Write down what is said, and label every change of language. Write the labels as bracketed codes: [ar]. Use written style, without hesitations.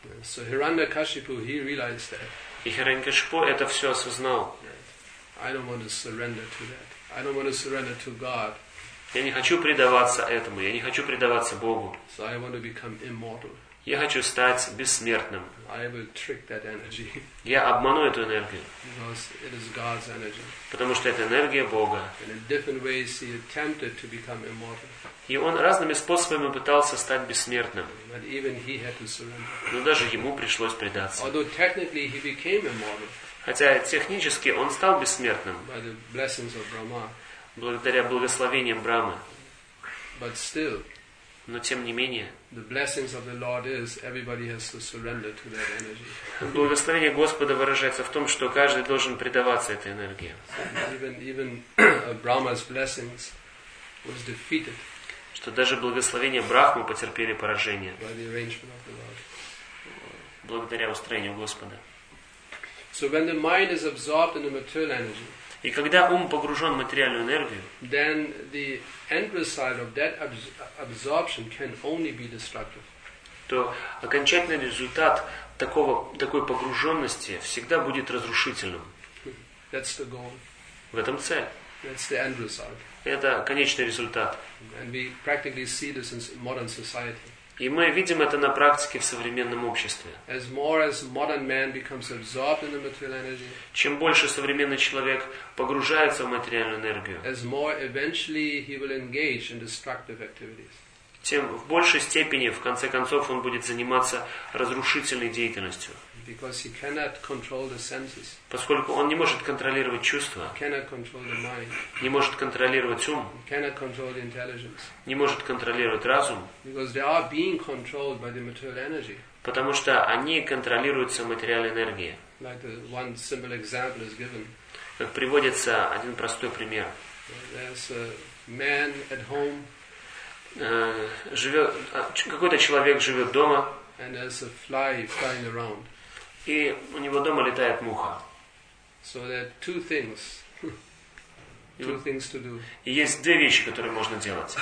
[en] So Hiranyakashipu, he realized that. [ru] И Хираньякашипу это все осознал. [en] I don't want to surrender to that. I don't want to surrender to God. [ru] Я не хочу предаваться этому. Я не хочу предаваться Богу. [en] So I want to become immortal. [ru] Я хочу стать бессмертным. [en] I will trick that energy. [ru] Я обману эту энергию. [en] Because it is God's energy. [ru] Потому что это энергия Бога. [en] And in different ways he attempted to become immortal. [ru] И он разными способами пытался стать бессмертным. [en] But even he had to surrender. [ru] Но даже ему пришлось предаться. [en] Although technically he became immortal. [ru] Хотя технически он стал бессмертным. [en] By the blessings of Brahma. [ru] Благодаря благословениям Брамы. [en] But still, [ru] но тем не менее, [en] the blessings of the Lord is everybody has to surrender to that energy. [ru] Благословение Господа выражается в том, что каждый должен предаваться этой энергии. [en] Even Brahma's blessings was defeated. [ru] Что даже благословения Брахмы потерпели поражение. [en] By the arrangement of the Lord. [ru] Благодаря устроению Господа. [en] So when the mind is absorbed in the material energy. [ru] И когда ум погружен в материальную энергию, [en] then the end result of that absorption can only be destructive. [ru] То окончательный результат такой погруженности всегда будет разрушительным. [en] That's the goal. [ru] В этом цель. [en] That's the end result. [ru] Это конечный результат. [en] And we practically see this in modern society. [ru] И мы видим это на практике в современном обществе. [en] As more as modern man becomes absorbed in the material energy, [ru] чем больше современный человек погружается в материальную энергию, [en] as more eventually he will engage in destructive activities, [ru] тем в большей степени, в конце концов, он будет заниматься разрушительной деятельностью. [en] Because he cannot control the senses. [ru] Поскольку он не может контролировать чувства. [en] He cannot control the mind. [ru] Не может контролировать ум. [en] He cannot control the intelligence. [ru] Не может контролировать разум. [en] Because they are being controlled by the material energy. [ru] Потому что они контролируются материальной энергией. [en] Like the one simple example is given. [ru] Как приводится один простой пример. [en] There's a man at home. [ru] Какой-то человек живет дома. [en] And there's a fly flying around. [ru] И у него дома летает муха. [en] So there are two things. Two things to do. [ru] И есть две вещи, которые можно делать.